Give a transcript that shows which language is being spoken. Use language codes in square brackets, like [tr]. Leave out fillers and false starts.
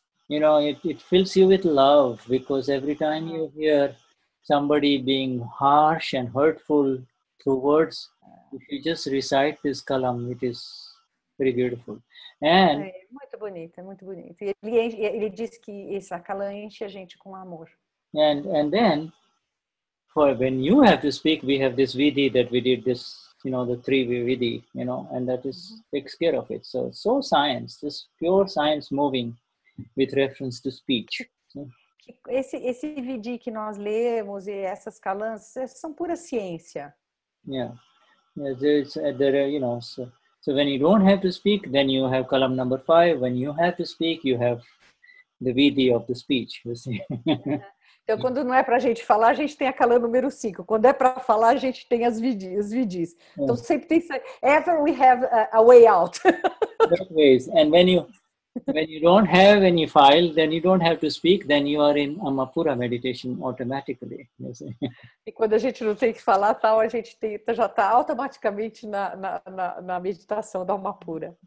[en] You know, it fills you with love, because every time you hear somebody being harsh and hurtful through words, if you just recite this column, it is very beautiful. And [pt] muito bonito, muito bonito. Ele diz que essa calã enche a gente com amor. [en] And then, for when you have to speak, we have this vidhi that we did this, you know, the 3 vidhi, you know, and that is takes care of it. So science, this pure science moving with reference to speech. [pt] Esse vidhi que nós lemos e essas calãs são pura ciência. [en] So when you don't have to speak, then you have column number 5. When you have to speak, you have the vidhi of the speech, you see. [pt] Então, quando não é para a gente falar, a gente tem a calã número 5. Quando é para falar, a gente tem as vidis. Então, sempre tem que [en] ever we have a way out. That ways. And when you don't have any file, then you don't have to speak, then you are in Amapura meditation automatically. You see? [pt] E quando a gente não tem que falar, tal, a gente já está automaticamente na meditação da Amapura.